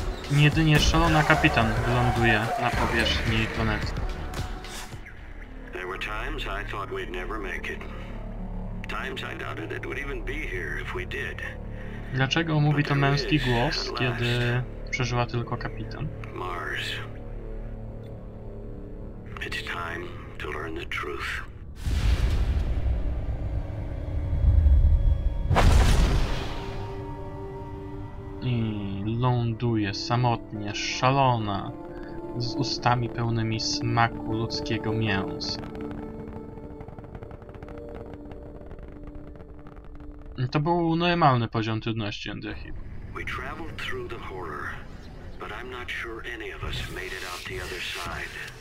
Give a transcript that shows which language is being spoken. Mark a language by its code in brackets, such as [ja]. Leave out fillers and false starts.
[pl] Jedynie szalona kapitan wyląduje na powierzchni planety. [en] There were times I thought we'd never make it. Times I doubted it would even be here if we did. [pl] Dlaczego mówi to męski głos, kiedy przeżyła tylko kapitan? [en] Mars. It's time to learn the truth. [pl] I ląduje samotnie, szalona, z ustami pełnymi smaku ludzkiego mięsa. To był normalny poziom trudności Andrzeji. [en] We traveled through the horror, but I'm not sure any of us made it out the other side.